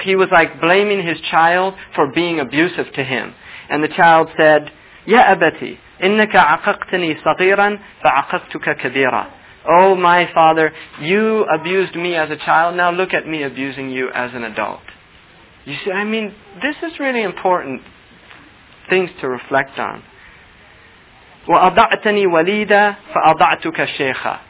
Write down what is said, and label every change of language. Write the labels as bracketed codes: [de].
[en] He was like blaming his child for being abusive to him. And the child said, [ar] يَا أَبَتِي إِنَّكَ عَقَقْتَنِي صَغِيرًا فَعَقَقْتُكَ كَبِيرًا. [en] Oh, my father, you abused me as a child. Now look at me abusing you as an adult. You see, I mean, this is really important things to reflect on. [ar] وَأَضَعْتَنِي وَلِيدًا فَأَضَعْتُكَ شَيْخًا.